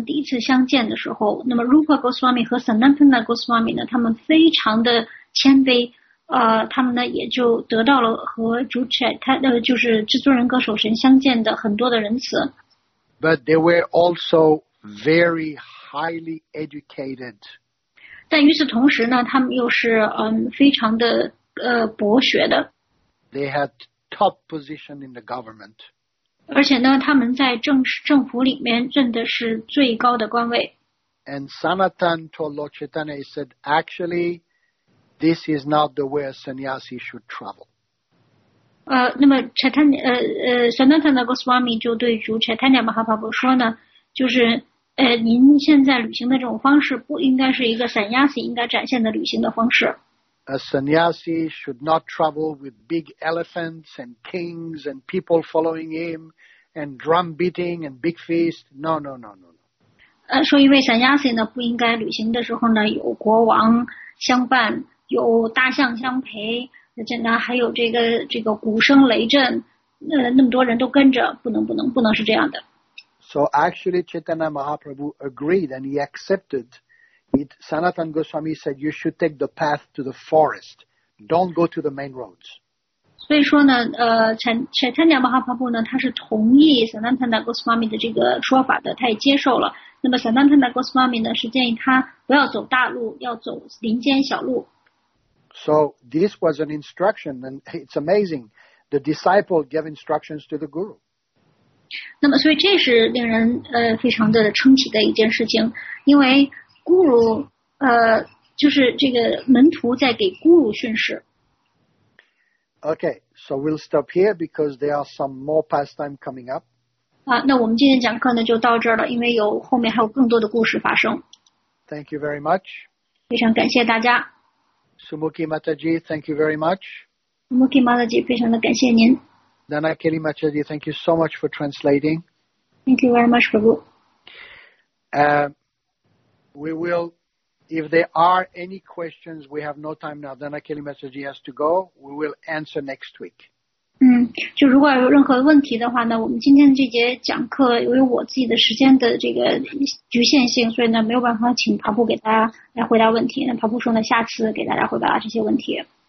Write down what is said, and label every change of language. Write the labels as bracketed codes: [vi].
[zh] 那么这是发生在他们第一次相见的时候。那么Rupa Goswami 和 Sanatana Goswami 呢，他们非常的谦卑，他们呢也就得到了和主Chaitanya，就是至尊人格守神相见的很多的仁慈。 [en] But they were also very highly educated. [zh] 但与此同时呢,他们又是非常的博学的。 [en] They had top position in the government. [zh] 而且呢,他们在政府里面真的是最高的官位。 [en] And Sanatan told Lord Chaitanya, he said, actually, this is not the way a sannyasi should travel. [zh] 那么 Sanatana Goswami 就对主 Chaitanya Mahaprabhu 说呢，就是您现在旅行的这种方式不应该是一个 sannyasi 应该展现的旅行的方式。 [en] A sannyasi should not travel with big elephants and kings and people following him and drum beating and big feast. No. [zh] 说一位 sannyasi 呢不应该旅行的时候呢有国王相伴，有大象相陪，现在还有这个鼓声雷震，那么多人都跟着，不能是这样的。 [en] So actually, Chaitanya Mahaprabhu agreed and he accepted. Sanatan Goswami said you should take the path to the forest. Don't go to the main roads. [zh] 所以说呢，Chaitanya Mahaprabhu 呢，他是同意 Sanatana Goswami 的这个说法的，他也接受了。那么 Sanatana Goswami 呢，是建议他不要走大路，要走林间小路。 [en] So this was an instruction, and it's amazing. The disciple gave instructions to the guru. [zh] 那么，所以这是令人非常的称奇的一件事情，因为 guru 就是这个门徒在给 guru 训示。 [en] Okay, so we'll stop here because there are some more pastime coming up. [zh] 那我们今天讲课呢就到这儿了，因为有后面还有更多的故事发生。 [en] Thank you very much. [zh] 非常感谢大家。 [en] Sumukhi Mataji, thank you very much. [zh] Sumukhi Mataji, 非常的感谢您。 [en] Danakiri Mataji, thank you so much for translating. Thank you very much, Prabhu. We will, if there are any questions, we have no time now. Danakiri Mataji has to go. We will answer next week. [zh] 就如果有任何问题的话呢，我们今天这节讲课，由于我自己的时间的这个局限性，所以呢没有办法请跑步给大家来回答问题。那跑步说呢，下次给大家回答这些问题。